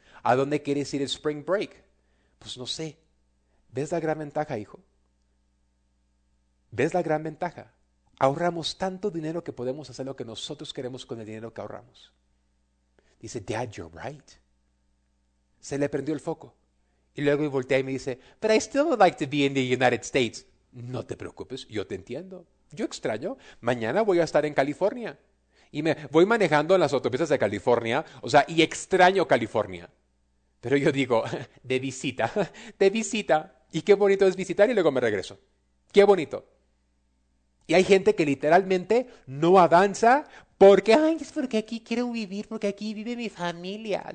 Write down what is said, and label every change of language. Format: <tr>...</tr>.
<es>¿A dónde quieres ir el Spring Break? Pues no sé. ¿Ves la gran ventaja, hijo? ¿Ves la gran ventaja? Ahorramos tanto dinero que podemos hacer lo que nosotros queremos con el dinero que ahorramos. Dice,</es> <en>Dad, you're right.</en> <es>Se le prendió el foco. Y luego voltea y me dice,</es> <en>But I still would like to be in the United States.</en> <es>No te preocupes, yo te entiendo. Yo extraño. Mañana voy a estar en California. Y me voy manejando en las autopistas de California. O sea, y extraño California. Pero yo digo, de visita, de visita. Y qué bonito es visitar y luego me regreso. Qué bonito. Y hay gente que literalmente no avanza porque, ay, es porque aquí quiero vivir, porque aquí vive mi familia.</es>